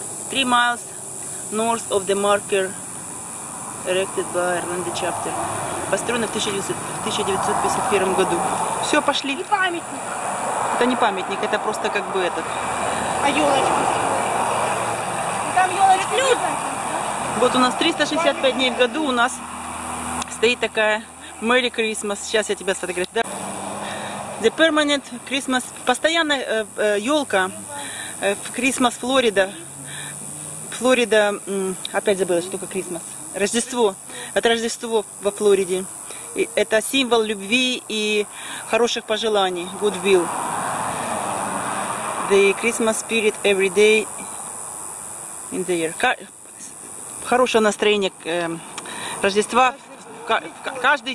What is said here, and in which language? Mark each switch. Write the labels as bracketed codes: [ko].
[en] 3 miles north of the marker erected by Ireland chapter. [ru] Построено в 1951 году. Все, пошли. Не памятник. Это не памятник, это просто как бы этот. А елочка? Там елочка. Люд! Вот у нас 365 дней в году у нас стоит такая [en] Merry Christmas. [ru] Сейчас я тебя сфотографирую. [en] The permanent Christmas, [ru] постоянная елка в Christmas, Флорида. Флорида, опять забыла, что такое Christmas. Рождество. Это Рождество во Флориде. И это символ любви и хороших пожеланий. [en] Good will. The Christmas spirit every day in the year. [ru] Хорошее настроение Рождества каждый день.